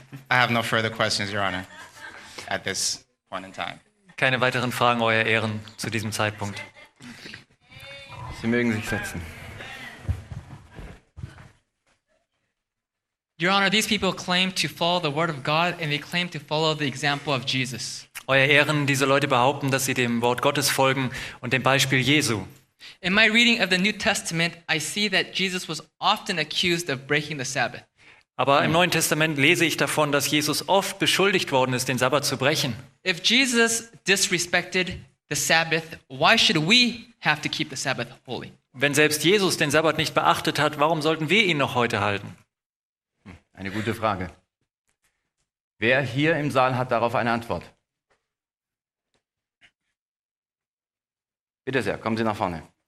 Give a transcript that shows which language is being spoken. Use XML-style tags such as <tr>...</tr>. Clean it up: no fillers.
<en>I have no further questions, Your Honor, at this point in time.</en> <de>Keine weiteren Fragen, Euer Ehren, zu diesem Zeitpunkt. Sie mögen sich setzen.</de> <en>Your Honor, these people claim to follow the word of God and they claim to follow the example of Jesus.</en> <de>Euer Ehren, diese Leute behaupten, dass sie dem Wort Gottes folgen und dem Beispiel Jesu.</de> <en>In my reading of the New Testament, I see that Jesus was often accused of breaking the Sabbath.</en> <de>Aber im Neuen Testament lese ich davon, dass Jesus oft beschuldigt worden ist, den Sabbat zu brechen.</de> <en>If Jesus disrespected the Sabbath, why should we have to keep the Sabbath holy?</en> <de>Wenn selbst Jesus den Sabbat nicht beachtet hat, warum sollten wir ihn noch heute halten? Eine gute Frage. Wer hier im Saal hat darauf eine Antwort? Bitte sehr, kommen Sie nach vorne.</de>